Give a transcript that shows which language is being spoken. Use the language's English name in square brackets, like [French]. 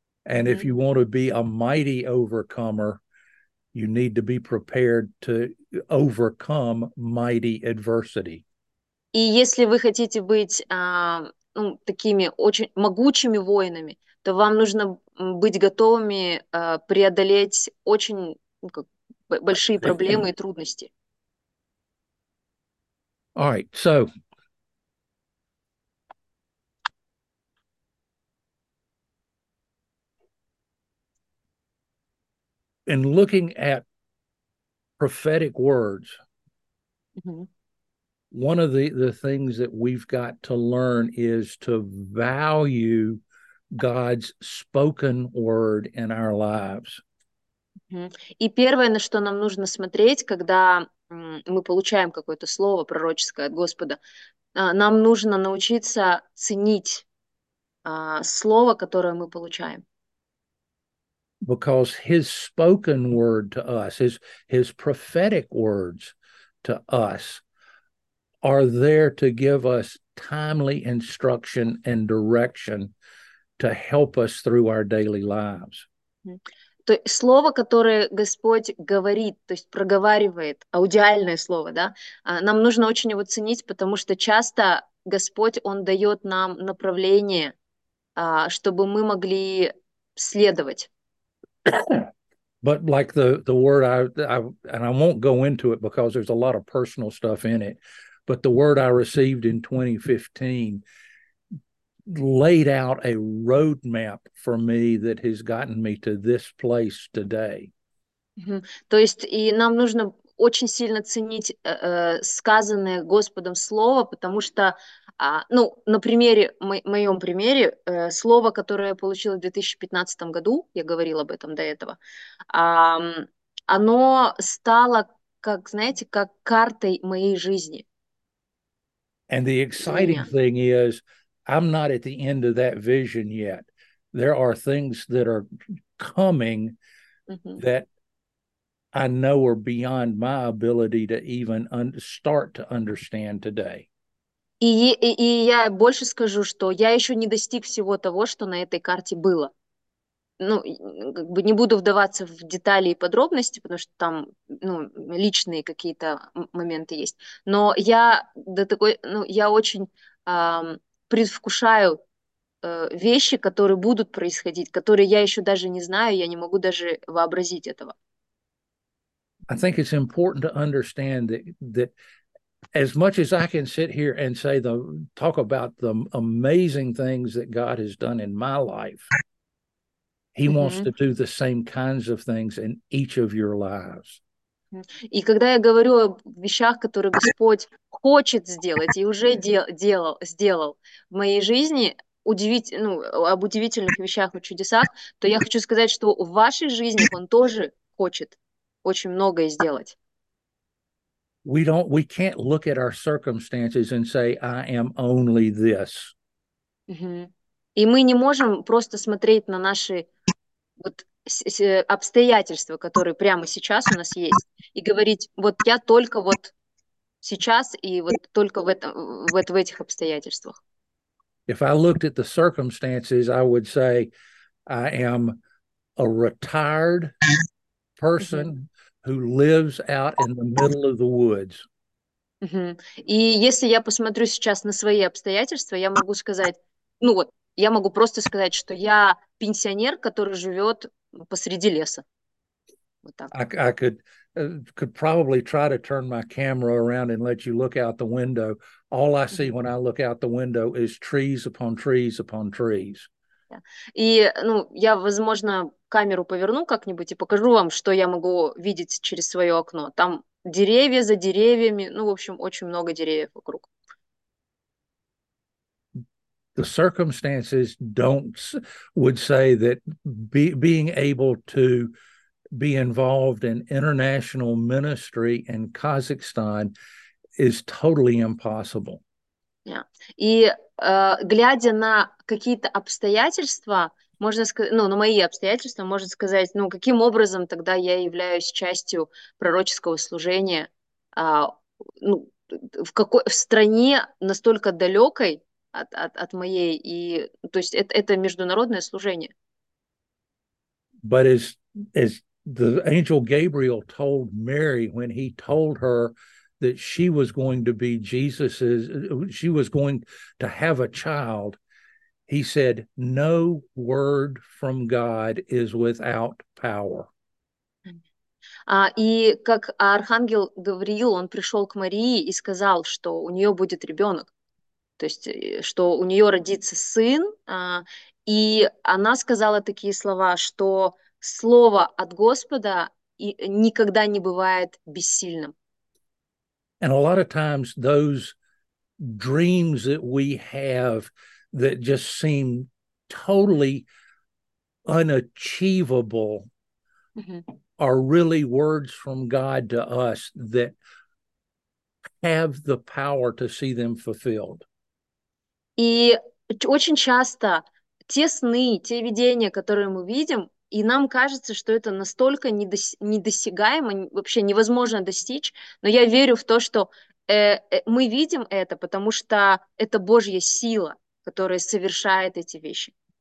[English] And if you want to be a mighty overcomer, you need to be prepared to overcome mighty adversity. [Russian] И если вы хотите быть такими очень могучими воинами, то вам нужно быть готовыми преодолеть очень большие проблемы и трудности. [English] All right, so in looking at prophetic words, one of the things that we've got to learn is to value God's spoken word in our lives. [Russian] И первое, на что нам нужно смотреть, когда мы получаем какое-то слово пророческое от Господа, нам нужно научиться ценить слово, которое мы получаем. [English] Because his spoken word to us, his prophetic words to us, are there to give us timely instruction and direction to help us through our daily lives. [Russian] То слово, которое Господь говорит, то есть проговаривает, аудиальное слово, да, нам нужно очень его ценить, потому что часто Господь, Он дает нам направление, чтобы мы могли следовать. [English] But like the word I won't go into it because there's a lot of personal stuff in it, but the word I received in 2015 laid out a roadmap for me that has gotten me to this place today. [Russian] То есть и нам нужно очень сильно ценить сказанное Господом слово, потому что ну, на примере, моем примере, слово, которое я получила в 2015 году, я говорила об этом до этого, оно стало, как, знаете, как картой моей жизни. [English] And the exciting thing is, I'm not at the end of that vision yet. There are things that are coming that I know are beyond my ability to even start to understand today. [Russian] И я больше скажу, что я еще не достиг всего того, что на этой карте было. Ну, как бы не буду вдаваться в детали и подробности, потому что там ну, личные какие-то моменты есть. Но я до такой, ну, я очень предвкушаю вещи, которые будут происходить, которые я еще даже не знаю, я не могу даже вообразить этого. [English] I think it's important to understand that as much as I can sit here and say talk about the amazing things that God has done in my life, He wants to do the same kinds of things in each of your lives. [Russian] И когда я говорю о вещах, которые Господь хочет сделать и уже сделал в моей жизни, об удивительных вещах и чудесах, то я хочу сказать, что в вашей жизни Он тоже хочет очень многое сделать. [English] We can't look at our circumstances and say, I am only this. [Russian] И мы не можем просто смотреть на наши вот обстоятельства, которые прямо сейчас у нас есть, и говорить, вот я только вот сейчас и вот только в этих обстоятельствах. [English] If I looked at the circumstances, I would say, I am a retired person who lives out in the middle of the woods. [Russian] И если я посмотрю сейчас на свои обстоятельства, я могу сказать, ну вот, я могу просто сказать, что я пенсионер, который живет посреди леса. Вот так. [English] I could probably try to turn my camera around and let you look out the window. All I see when I look out the window is trees upon trees upon trees. [Russian] И, ну, я, возможно, камеру поверну как-нибудь и покажу вам, что я могу видеть через свое окно. Там деревья за деревьями, ну, в общем, очень много деревьев вокруг. [English] The circumstances would say that being able to be involved in international ministry in Kazakhstan is totally impossible. Yeah. [Russian] И глядя на какие-то обстоятельства, можно сказать, ну, на мои обстоятельства, можно сказать, ну, каким образом тогда я являюсь частью пророческого служения ну, в какой в стране настолько далекой от моей, и то есть это международное служение. [English] But as the angel Gabriel told Mary when he told her that she was going to be Jesus's, she was going to have a child, he said, no word from God is without power. [Russian] И как архангел Гавриил, он пришел к Марии и сказал, что у нее будет ребенок, то есть что у нее родится сын, и она сказала такие слова, что слово от Господа и никогда не бывает бессильным. [English] And a lot of times those dreams that we have that just seem totally unachievable are really words from God to us that have the power to see them fulfilled. [Russian] И очень часто те сны, те видения, которые мы видим, и нам кажется, что это настолько недосягаемо, вообще невозможно достичь, но я верю в то, что мы видим это, потому что это Божья сила, которая совершает эти вещи.